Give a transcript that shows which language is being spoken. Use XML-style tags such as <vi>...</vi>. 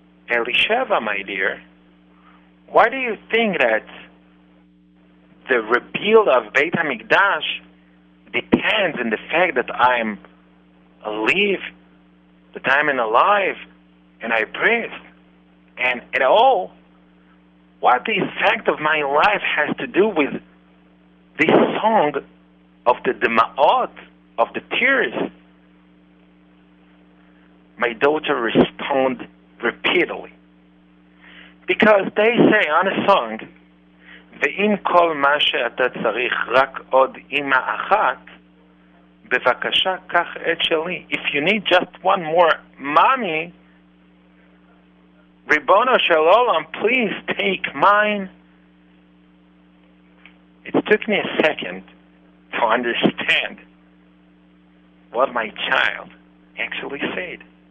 <en>"Elisheva, my dear, why do you think that the rebuild of Beit HaMikdash depends on the fact that I'm alive, that I'm alive, and I breathe, and at all, what the effect of my life has to do with this song of the Dema'ot, of the tears?" My daughter responded repeatedly, "Because they say on a song,</en> <he>ואם כל מה שאתה צריך רק עוד אמא אחת, בבקשה קח את שלי."</he> <en>If you need just one more mommy, Ribono Shel Olam, please take mine. It took me a second to understand what my child actually said.</en>